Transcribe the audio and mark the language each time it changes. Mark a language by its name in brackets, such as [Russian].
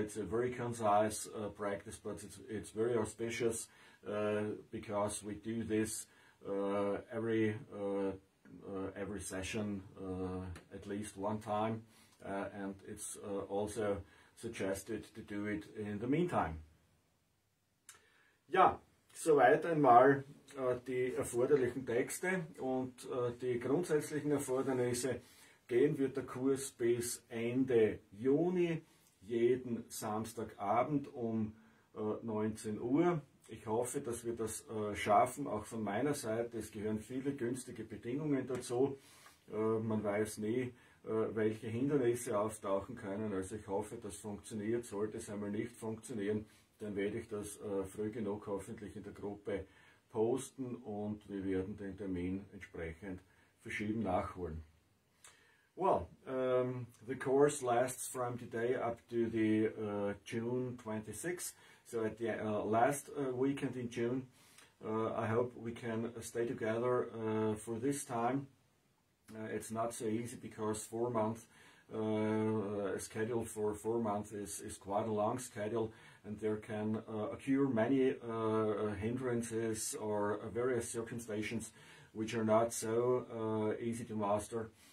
[English] It's a very concise practice, but it's very auspicious because we do this every session at least one time, and it's also suggested to do it in the meantime. [German] Ja, soweit einmal die erforderlichen Texte und die grundsätzlichen Erfordernisse. Gehen wird der Kurs bis Ende Juni, jeden Samstagabend um 19 Uhr. Ich hoffe, dass wir das schaffen, auch von meiner Seite. Es gehören viele günstige Bedingungen dazu. Man weiß nie, welche Hindernisse auftauchen können. Also ich hoffe, das funktioniert. Sollte es einmal nicht funktionieren, dann werde ich das früh genug hoffentlich in der Gruppe posten und wir werden den Termin entsprechend verschieben nachholen. [English] Well, the course lasts from today up to the June 26th, so at the last weekend in June. I hope we can stay together for this time. It's not so easy because 4 months, a schedule for 4 months is quite a long schedule, and there can occur many hindrances or various circumstances which are not so easy to master.